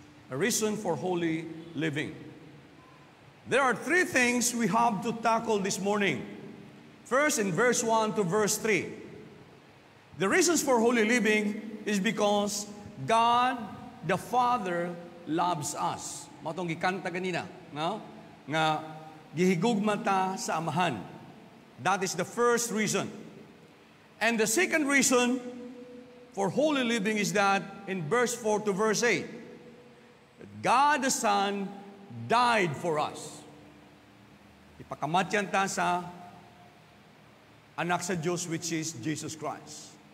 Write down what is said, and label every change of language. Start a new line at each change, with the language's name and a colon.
English: A Reason for Holy Living. There are three things we have to tackle this morning. First, in verse 1 to verse 3. The reasons for holy living is because God the Father loves us.
Cebuano: Matong gikanta ganina, no? Nga gihigugma ta sa Amahan.
English: That is the first reason. And the second reason for holy living is that in verse 4 to verse 8, God the Son died for us.
Cebuano: Ipakamatyan ta sa anak sa Diyos,
English: which is Jesus Christ.